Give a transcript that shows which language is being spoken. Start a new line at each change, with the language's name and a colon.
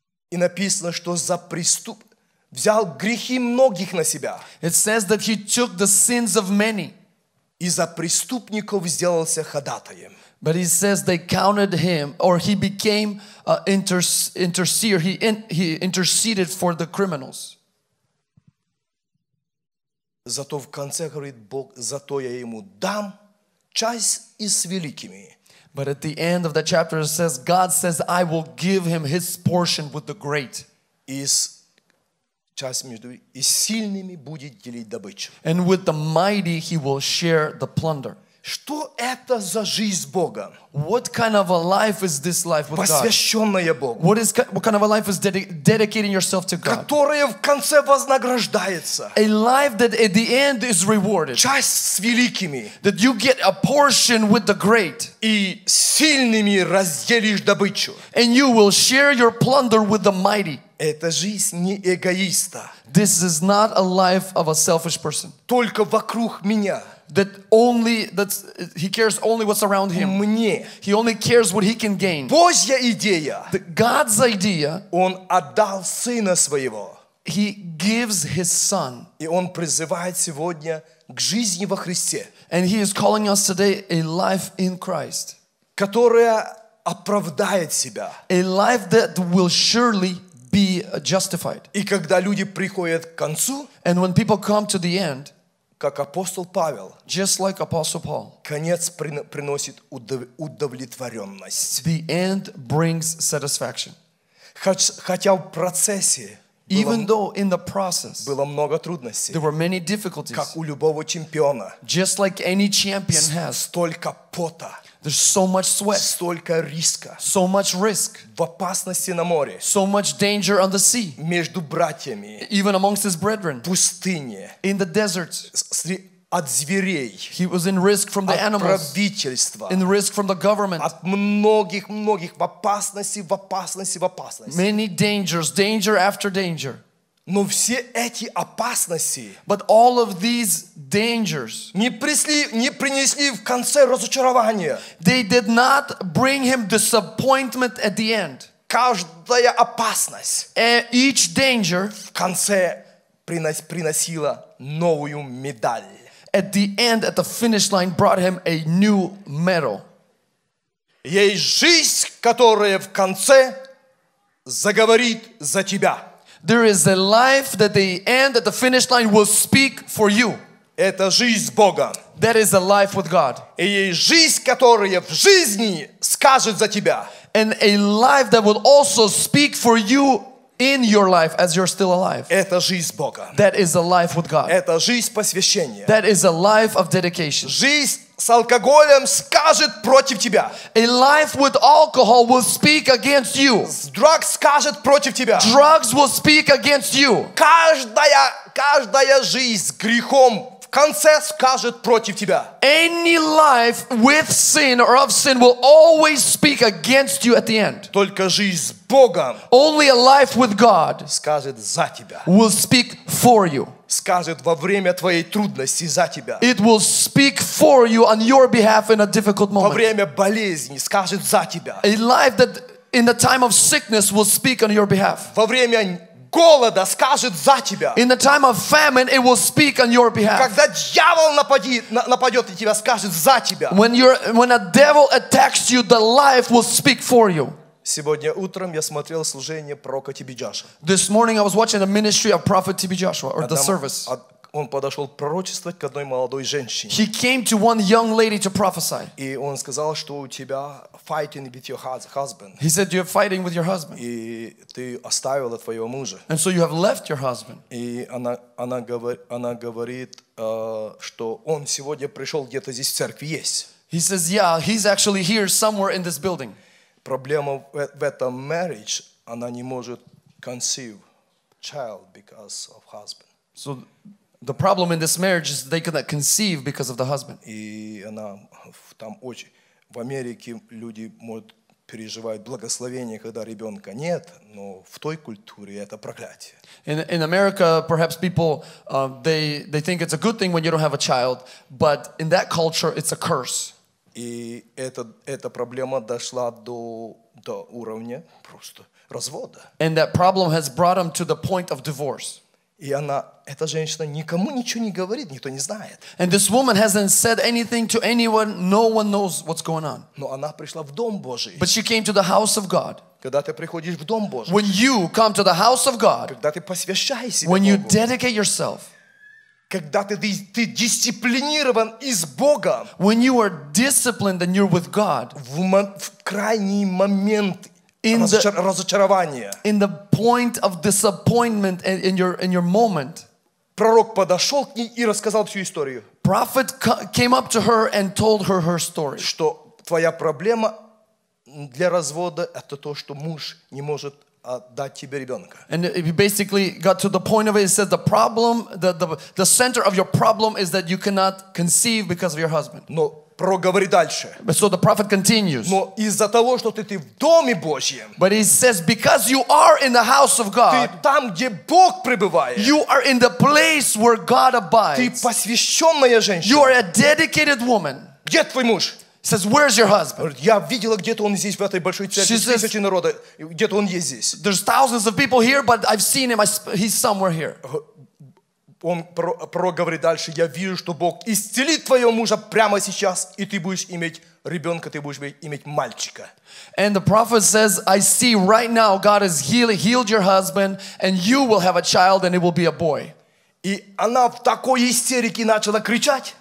Russian: И написано, что за преступ взял грехи многих на себя.
English: It says that he took the sins of many.
Russian: И за преступников сделался ходатаем.
English: But he says they counted him, or he became an interceder. He interceded for the criminals.
Russian: Зато в конце говорит Бог, зато я ему дам часть и с великими.
English: But at the end of the chapter, it says God says, "I will give him his portion with the great."
Russian: Is часть между и сильными будет делить добычу.
English: And with the mighty, he will share the plunder.
Russian: Что это за жизнь Бога?
English: What kind of a life is this life with God?
Russian: Посвященная Богу.
English: What kind of a life is dedicating yourself to God?
Russian: Которая в конце вознаграждается.
English: A life that at the end is rewarded.
Russian: Часть с великими.
English: That you get a portion with the great.
Russian: И сильными разделишь добычу.
English: And you will share your plunder with the mighty.
Russian: Это жизнь не эгоиста.
English: This is not a life of a selfish person.
Russian: Только вокруг меня.
English: That only he cares only what's around him.
Russian: Мне.
English: He only cares what he can gain.
Russian: Божья идея.
English: The God's idea.
Russian: Он отдал сына своего.
English: He gives his son.
Russian: И он призывает сегодня к жизни во Христе.
English: And he is calling us today a life in Christ.
Russian: Которая оправдает себя.
English: A life that will surely be justified.
Russian: И когда люди приходят к концу.
English: And when people come to the end.
Russian: Как апостол Павел,
English: just like Apostle Paul,
Russian: конец приносит удовлетворенность.
English: The end brings satisfaction.
Russian: Хотя в процессе,
English: even though in the process,
Russian: было много трудностей,
English: there were many difficulties.
Russian: Как у любого чемпиона,
English: just like any champion has,
Russian: столько пота,
English: there's so much sweat,
Russian: столько риска,
English: so much risk,
Russian: в опасности на море,
English: so much danger on the sea,
Russian: между братьями,
English: even amongst his brethren,
Russian: пустыне,
English: in the deserts,
Russian: от зверей,
English: he was in risk from the
Russian: от
English: animals,
Russian: от правительства,
English: in risk from the government,
Russian: от многих, многих, в опасности, в опасности, в опасности,
English: many dangers, danger after danger.
Russian: Но все эти опасности,
English: but all of these dangers,
Russian: не принесли в конце разочарования.
English: They did not bring him disappointment at the end.
Russian: Каждая опасность,
English: each danger,
Russian: в конце приносила новую медаль.
English: At the end, at the finish line, brought him a new medal.
Russian: Есть жизнь, которая в конце заговорит за тебя.
English: There is a life that the end, at the finish line, will speak for you.
Russian: Это жизнь с Богом.
English: That is a life with God.
Russian: И есть жизнь, которая в жизни скажет за тебя.
English: And a life that will also speak for you in your life as you're still alive.
Russian: Это жизнь с Богом.
English: That is a life with God.
Russian: Это жизнь посвящения.
English: That is a life of dedication.
Russian: Жизнь с алкоголем скажет против тебя.
English: A life with alcohol will speak against you.
Russian: Drugs скажет против тебя.
English: Drugs will speak against you.
Russian: Каждая жизнь с грехом в конце скажет против тебя.
English: Any life with sin or of sin will always speak against you at the end.
Russian: Только жизнь с Богом.
English: Only a life with God
Russian: скажет за тебя.
English: Will speak for you.
Russian: Скажет во время твоей трудности за тебя.
English: It will speak for you on your behalf in a difficult moment.
Russian: Во время болезни скажет за тебя.
English: A life that in the time of sickness will speak on your behalf.
Russian: Во время голода скажет за тебя.
English: In the time of famine it will speak on your behalf.
Russian: Когда дьявол нападет на тебя, скажет за тебя.
English: When a devil attacks you, the life will speak for you.
Russian: Сегодня утром я смотрел служение пророка Тиби Джоша.
English: This morning I was watching the ministry of prophet Тиби Джошуа, or the service.
Russian: Он подошел пророчествовать к одной молодой женщине.
English: He came to one young lady to prophesy.
Russian: И он сказал, что у тебя
English: fighting with your husband. He said you're fighting with your husband.
Russian: И ты оставила твоего мужа.
English: And so you have left your husband.
Russian: И она говорит, что он сегодня пришел где-то здесь в церкви есть.
English: He says, yeah, he's actually here somewhere in this building.
Russian: Проблема в этом
English: marriage,
Russian: она не может
English: conceive child because of husband. So the problem in this marriage is they cannot conceive because of the husband.
Russian: И она там очень... В Америке люди могут переживать благословение, когда ребенка нет, но в той культуре это проклятие.
English: In America, perhaps people, they think it's a good thing when you don't have a child, but in that culture, it's a curse.
Russian: И эта проблема дошла до уровня просто развода.
English: And that problem has brought him to the point of divorce.
Russian: И она, эта женщина никому ничего не говорит, никто не знает.
English: And this woman hasn't said anything to anyone, no one knows what's going on.
Russian: Но она пришла в дом Божий.
English: But she came to the house of God.
Russian: Когда ты приходишь в дом Божий.
English: When you come to the house of God.
Russian: Когда ты посвящаешь себя Богу.
English: When you dedicate yourself.
Russian: Когда ты дисциплинирован и с Богом.
English: When you are disciplined and you're with God.
Russian: В крайний момент разочарования.
English: In the point of disappointment and in your moment.
Russian: Пророк подошел к ней и рассказал всю историю.
English: Prophet came up to her and told her her story.
Russian: Что твоя проблема для развода это то, что муж не может отдать тебе ребенка.
English: And he basically got to the point of it. He said the problem, the center of your problem is that you cannot conceive because of your husband.
Russian: Но пророк говорит дальше.
English: But so the prophet continues.
Russian: Но из-за того, что ты в доме Божьем.
English: But he says because you are in the house of God.
Russian: Ты там, где Бог пребывает.
English: You are in the place where God abides.
Russian: Ты посвященная женщина.
English: You are a dedicated woman.
Russian: Где твой муж?
English: Says, where's your husband?
Russian: Я видела, где-то он здесь в этой большой церкви, тысячи народа, где-то он есть здесь.
English: There's thousands of people here, but I've seen him. He's somewhere here.
Russian: Он проговорит дальше. Я вижу, что Бог исцелит твоего мужа прямо сейчас, и ты будешь иметь ребенка, ты будешь иметь мальчика.
English: And the prophet says, I see right now God has healed your husband, and you will have a child, and it will be a boy.
Russian: И она в такой истерике начала кричать.